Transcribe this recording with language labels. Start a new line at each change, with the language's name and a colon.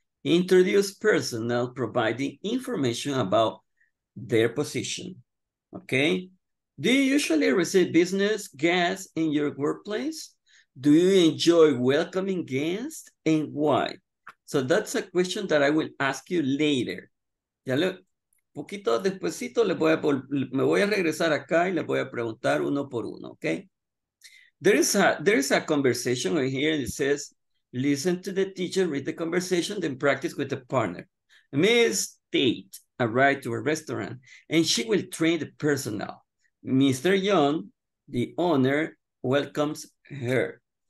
English: Introduce personnel providing information about their position, okay? Do you usually receive business guests in your workplace? Do you enjoy welcoming guests and why? So that's a question that I will ask you later.
Spanish: Ya lo, poquito despuesito me voy a regresar acá y les voy a preguntar uno por uno, okay?
English: There is a conversation right here, and it says, listen to the teacher, read the conversation, then practice with the partner. Miss Tate arrived to a restaurant, and she will train the personnel. Mr. Young, the owner, welcomes her.